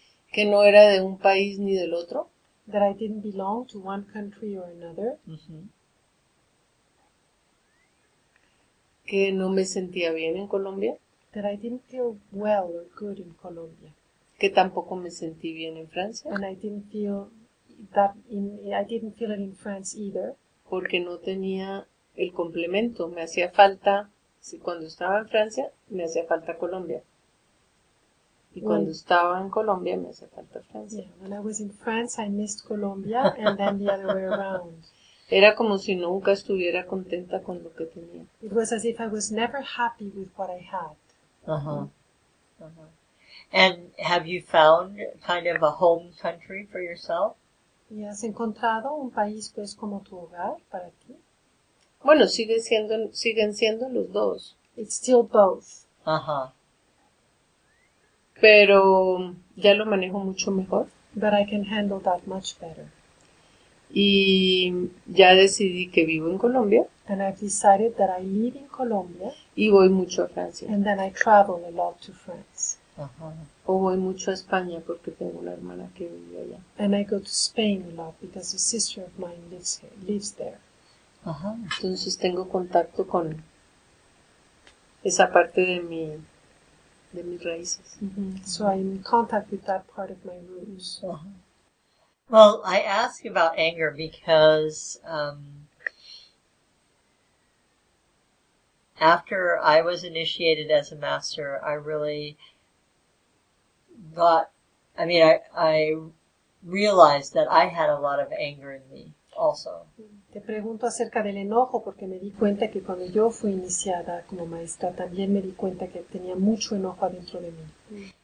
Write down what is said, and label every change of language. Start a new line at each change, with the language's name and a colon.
Spanish: Que no era de un país ni del otro.
English: That I didn't belong to one country or another.
Spanish: Que no me sentía bien en Colombia.
English: That I didn't feel well or good in Colombia.
Spanish: Que tampoco me sentí bien en Francia.
English: And I didn't feel that I didn't feel it in France either.
Spanish: Porque no tenía el complemento. Me hacía falta, si cuando estaba en Francia, me hacía falta Colombia. Y cuando estaba en Colombia, me hacía falta Francia.
English: Yeah, when I was in France, I missed Colombia, and then the other way around.
Spanish: Era como si nunca estuviera contenta con lo que tenía.
English: It was as if I was never happy with what I had. And have you found kind of a home country for yourself?
Spanish: ¿Y has encontrado un país, pues, como tu hogar para ti? Bueno, siguen siendo los dos.
English: It's still both.
Spanish: Pero ya lo manejo mucho mejor.
English: But I can handle that much better.
Spanish: Y ya decidí que vivo en Colombia.
English: And I've decided that I live in Colombia.
Spanish: Y voy mucho a Francia.
English: And then I travel a lot to France.
Spanish: O voy mucho a España porque tengo una hermana que vive allá.
English: And I go to Spain a lot because a sister of mine lives there.
Spanish: Entonces tengo contacto con esa parte de mis raíces.
English: So I'm in contact with that part of my roots. Well, I ask about anger because after I was initiated as a master, I really got, I mean, I realized that I had a lot of anger in me also.
Spanish: Te pregunto acerca del enojo porque me di cuenta que cuando yo fui iniciada como maestra también me di cuenta que tenía mucho enojo adentro de mí.